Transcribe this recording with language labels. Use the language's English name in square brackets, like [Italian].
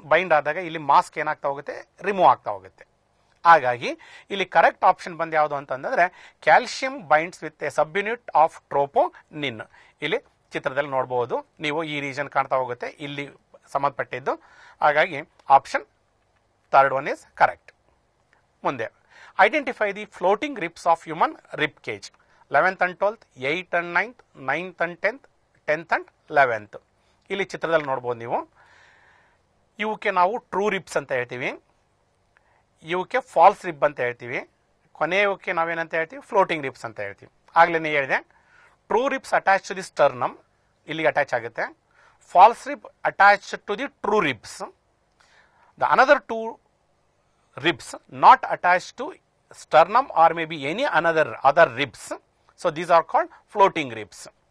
[Kannada] Bind ಆದಾಗ ಇಲ್ಲಿ mask ಏನಾಗ್ತಾ ಹೋಗುತ್ತೆ? ರಿಮೂವ್ ಆಗ್ತಾ ಹೋಗುತ್ತೆ. ಹಾಗಾಗಿ ಇಲ್ಲಿ ಕರೆಕ್ಟ್ ಆಪ್ಷನ್ ಬಂದು ಯಾವುದು ಅಂತಂದ್ರೆ [English] Calcium binds with a subunit of troponin. [Kannada] ಇಲ್ಲಿ ಚಿತ್ರದಲ್ಲಿ ನೋಡಬಹುದು ನೀವು, ಈ ರೀಜನ್ ಕಾಣ್ತಾ ಹೋಗುತ್ತೆ ಇಲ್ಲಿ ಸಂಬಂಧಪಟ್ಟಿದ್ದು. ಹಾಗಾಗಿ option [English] Third one is correct. [Kannada] ಮುಂದೆ [English] Identify the floating ribs of human rib cage 11th and 12th, 8th and 9th, 9th and 10th, 10th and 11th. [Kannada] ಇಲ್ಲಿ ಚಿತ್ರದಲ್ಲಿ ನೋಡಬಹುದು ನೀವು, ಇವಕ್ಕೆ ನಾವು ಟ್ರೂ ರಿಪ್ಸ್ ಅಂತ ಹೇಳ್ತೀವಿ, ಇವಕ್ಕೆ ಫಾಲ್ಸ್ ರಿಪ್ ಅಂತ ಹೇಳ್ತೀವಿ, ಕೊನೆಯವಕ್ಕೆ ನಾವೇನಂತ ಹೇಳ್ತೀವಿ ಫ್ಲೋಟಿಂಗ್ ರಿಪ್ಸ್ ಅಂತ ಹೇಳ್ತೀವಿ. ಆಗ್ಲೇ ಹೇಳಿದೆ [English] true ribs attach to the sternum, [Kannada] ಇಲ್ಲಿಗೆ [English] Attach ಆಗುತ್ತೆ. False rib attach to the true ribs. The another two ribs not attach to sternum or maybe any another other ribs, so these are called floating ribs.